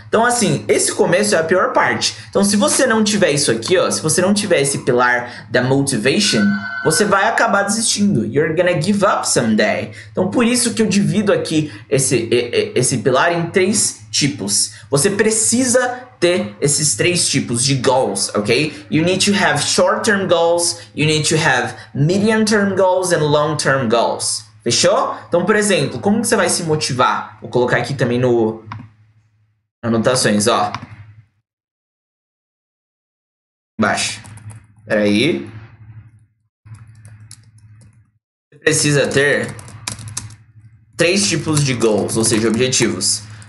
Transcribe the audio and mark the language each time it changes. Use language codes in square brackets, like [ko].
[pt] Então, assim, esse começo é a pior parte. Então, se você não tiver isso aqui, ó, se você não tiver esse pilar da motivation, você vai acabar desistindo. [en] You're gonna give up someday. [pt] Então, por isso que eu divido aqui esse pilar em três tipos. Você precisa ter esses três tipos de goals, ok? [en] You need to have short-term goals, you need to have medium-term goals and long-term goals. [pt] Fechou? Então, por exemplo, como que você vai se motivar? Vou colocar aqui também no anotações, ó. Baixo. Peraí. Você precisa ter três tipos de goals, ou seja, objetivos.